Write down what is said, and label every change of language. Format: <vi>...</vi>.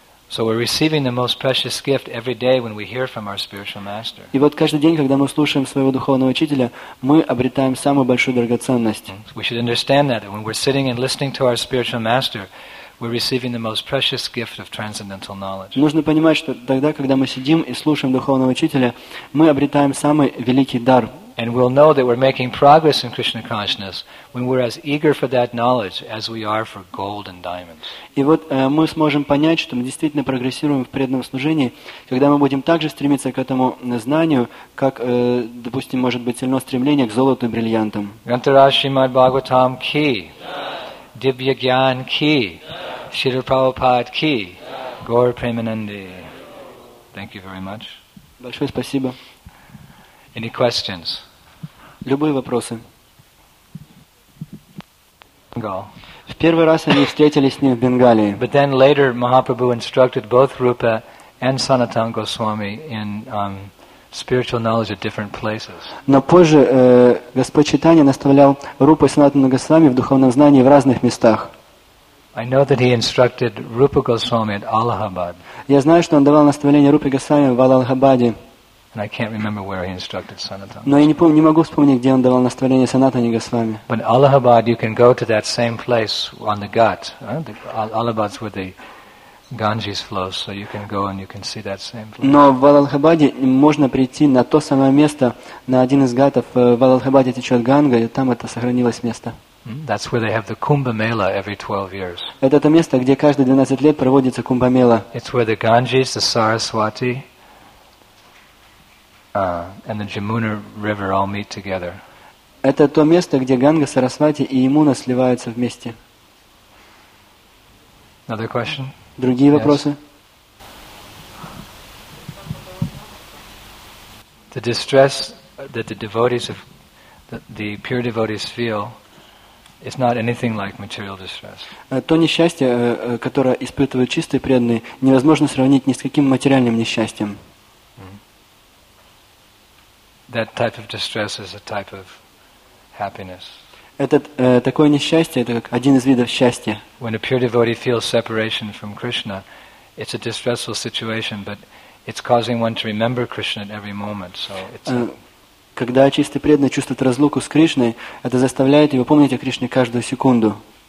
<en>So we're receiving the most precious gift every day when we hear from our spiritual master.</en> <ru>И вот каждый день, когда мы слушаем своего духовного учителя, мы обретаем самую большую драгоценность.</ru> <en>We should understand that when we're sitting and listening to our spiritual master, we're receiving the most precious gift of transcendental knowledge.</en> <ru>Нужно понимать, что тогда, когда мы сидим и слушаем духовного учителя, мы обретаем самый великий дар.</ru> <en>And we'll know that we're making progress in Krishna consciousness when we're as eager for that knowledge as we are for gold and diamonds.</en> <ru>И вот мы сможем понять, что мы действительно прогрессируем в преданном служении, когда мы будем также стремиться к этому знанию, как, допустим, может быть сильно стремление к золоту и бриллиантам. Гантарашимад Бхагаватам ки. Дивья гьян ки. Шрила Прабхупад ки. Гаур Премананди.</ru> <en>Thank you very much.</en> <ru>Большое спасибо.</ru> <en>Any questions?</en> <ru>Любые вопросы.</ru> <en>Bengal.</en> <ru>В первый раз они встретились с ним в Бенгалии.</ru> <en>But then later Mahaprabhu instructed both Rupa and Sanatan Goswami in spiritual knowledge at different places.</en> <ru>Но позже Господь Чайтанья наставлял Рупу и Санатану Госвами в духовном знании в разных местах.</ru> <en>I know that he instructed Rupa Goswami at Allahabad.</en> <ru>Я знаю, что он давал наставление Рупе Госвами в Аллахабаде.</ru> <en>And I can't remember where he instructed Sanatana.</en> <ru>Но я не могу вспомнить, где он давал наставление Санатане Госвами.</ru> <en>But Allahabad, you can go to that same place on the Ghat. Allahabad's where the Ganges flows, so you can go and you can see that same place.</en> <ru>Но в Аллахабаде можно прийти на то самое место, на один из гатов. В Аллахабаде течет Ганга, и там это сохранилось место.</ru> <en>That's where they have the Kumbh Mela every 12 years.</en> <ru>Это то место, где каждые 12 лет проводится Кумбх Мела.</ru> <en>It's where the Ganges, the Saraswati, and the Jamuna River all meet together.</en> <ru>Это то место, где Ганга, Сарасвати и Ямуна сливаются вместе.</ru> <en>Another question?</en> <ru>Другие вопросы?</ru> <en>The distress that the devotees of the pure devotees feel is not anything like material distress.</en> <ru>То несчастье, которое испытывают чистые преданные, невозможно сравнить ни с каким материальным несчастьем.</ru> <en>That type of distress is a type of happiness.</en> <ru>Этот такое несчастье это как один из видов счастья.</ru> <en>When a pure devotee feels separation from Krishna, it's a distressful situation, but it's causing one to remember Krishna at every moment. So it's.</en> <ru>Когда чистый преданный чувствует разлуку с Кришной, это заставляет его помнить о Кришне каждую секунду.</ru>